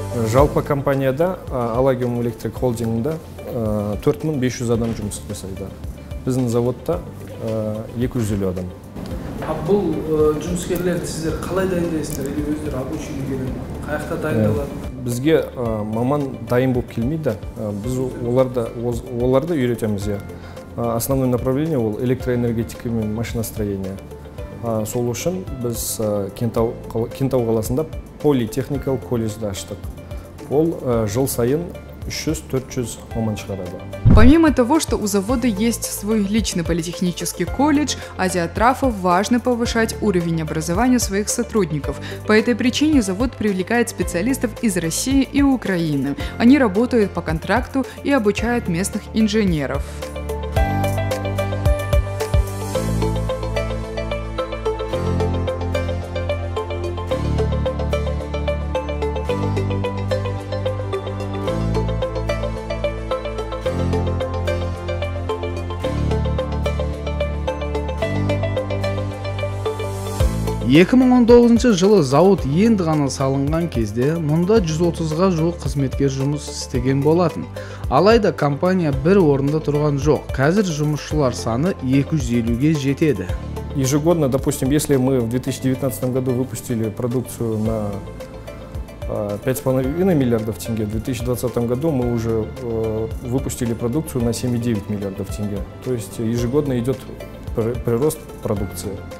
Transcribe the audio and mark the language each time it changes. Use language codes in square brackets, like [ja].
[kk] Жалпы компанияда, Allagium Electric Holding-ында 4500 адам жұмыс істейді. Біздің заводта 200 елу адам. Бұл жұмыскерлерді сіздер қалай дайындайсыздар? Или өздері обучили келіп, қаяқта дайындалады? Бізге маман дайын болып келмейді. Біз оларды үйретеміз. [ru] Основное направление ол электроэнергетика мен машиностроение. [kk] Сол үшін біз Кентау қаласында политехникал колледжді аштық. Ол жыл сайын 300-400 маман шығарады. [ru] Помимо того, что у завода есть свой личный политехнический колледж, Азия Трафа важно повышать уровень образования своих сотрудников. По этой причине завод привлекает специалистов из России и Украины. Они работают по контракту и обучают местных инженеров. В 2019 году завод [kk] енді ғана салынған кезде, мұнда 130-ға жуық қызметкер жұмыс істеген болатын. Алайда компания бір орында тұрған жоқ, қазір жұмысшылар саны 250-ге жетеді. [ru] Ежегодно, допустим, если мы в 2019 году выпустили продукцию на 5,5 миллиардов тенге, в 2020 году мы уже выпустили продукцию на 7,9 миллиардов тенге. То есть ежегодно идет прирост продукции.